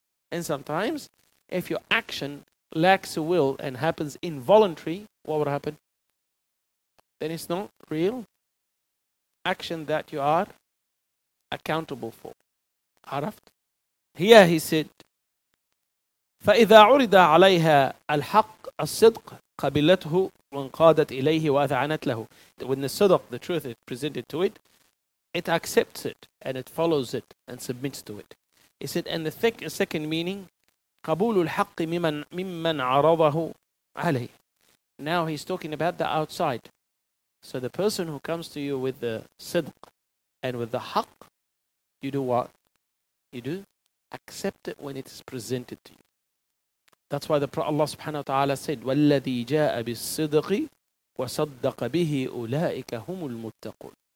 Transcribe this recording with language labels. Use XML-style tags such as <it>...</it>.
<en>And sometimes, if your action lacks a will and happens involuntary, what would happen? Then it's not real action that you are accountable for. Araft. Here he said,</en> <ar>فإذا عرض عليها الحق الصدق قبلته وانقادت إليه وأذعنت له.</ar> <en>When the صدق, the truth is presented to it, it accepts it and it follows it and submits to it. He said, and the second meaning, قبول الحق ممن عرضه عليه. Now he's talking about the outside. So the person who comes to you with the صدق and with the حق, you do what? You do accept it when it is presented to you.</en> <ar>That's why Allah subhanahu wa ta'ala said, وَالَّذِي جَاءَ بِالصِّدْقِ وَصَدَّقَ بِهِ أُولَٰئِكَ هُمُ الْمُتَّقُونَ.</ar>